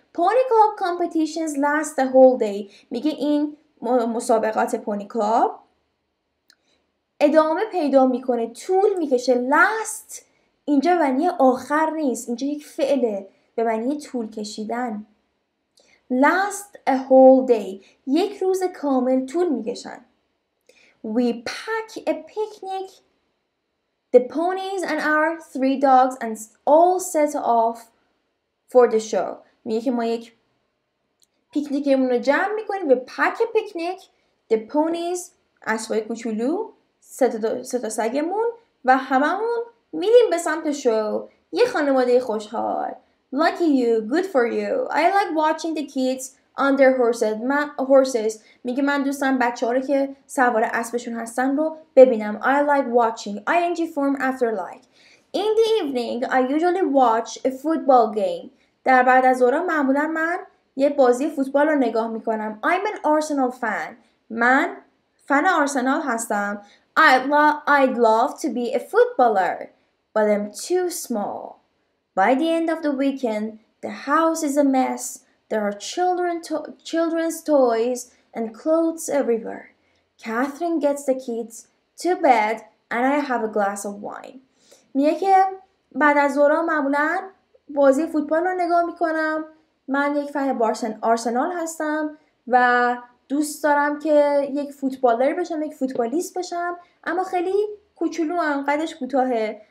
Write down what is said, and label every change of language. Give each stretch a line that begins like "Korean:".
English: Pony club competitions last the whole day.
Persian: میگه این مسابقات پونی کلاب ادامه پیدا میکنه، طول میکشه. لست اینجا معنی آخر نیست، اینجا یک فعله به معنی طول کشیدن.
English: last the whole day,
Persian: یک روز کامل طول میکشن.
English: We pack a picnic, the ponies and our three dogs and all set off for the show.
Persian: میگه که ما یک پیکنیکمون رو جمع میکنیم. به پک پیکنیک the ponies اسبای کوچولو سه تا سگمون و هممون میریم به سمت شو. یه خانواده خوشحال.
English: Lucky you. Good for you. I like watching the kids on their horses.
Persian: میگه من دوستم بچه ها رو که سوار اسبشون هستن رو ببینم.
English: I like watching. ing form after like. In the evening, I usually watch a football game.
Persian: در بعد از ظهر معمولا من یه بازی فوتبال رو نگاه میکنم.
English: I'm an Arsenal fan.
Persian: من فن آرسنال هستم.
English: I'd love to be a footballer, but I'm too small. By the end of the weekend, the house is a mess. There are children's toys and clothes everywhere. Catherine gets the kids to bed and I have a glass of wine.
Persian: میگه که بعد از ظهر معمولا بازی فوتبال رو نگاه میکنم. من یک فن آرسنال هستم و دوست دارم که یک فوتبالر بشم، یک فوتبالیست بشم، اما خیلی کوچولو ام، قدش کوتاهه.